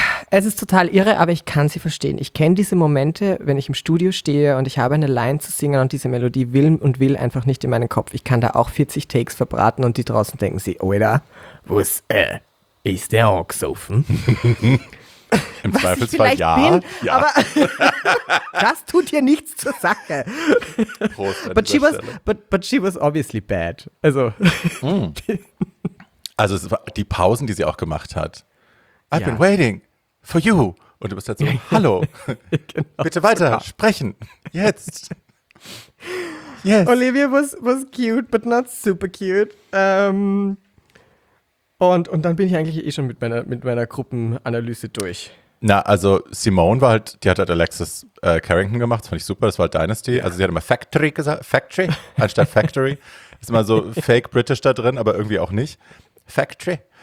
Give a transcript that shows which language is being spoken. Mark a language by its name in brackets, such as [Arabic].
[German] Es ist total irre, aber ich kann sie verstehen. Ich kenne diese Momente, wenn ich im Studio stehe und ich habe eine Line zu singen und diese Melodie will und will einfach nicht in meinen Kopf. Ich kann da auch 40 Takes verbraten und die draußen denken sie, Oida, was ist der auch gesoffen? Im Zweifelsfall ja. Bin, ja. Aber das tut hier nichts zur Sache. Prost, [English] but she was obviously bad. [German] Also, Also es war die Pausen, die sie auch gemacht hat. [English] I've been waiting for you. [German] Und du bist halt so, hallo, genau, bitte weiter, so sprechen, jetzt. [English] Yes. Olivia was cute, but not super cute. [German] Und dann bin ich eigentlich eh schon mit meiner Gruppenanalyse durch. Na, also Simone war halt, die hat halt Alexis Carrington gemacht, das fand ich super, das war halt Dynasty. Ja. Also sie hat immer Factory gesagt, Factory, anstatt Factory. Ist immer so fake British da drin, aber irgendwie auch nicht. Factory.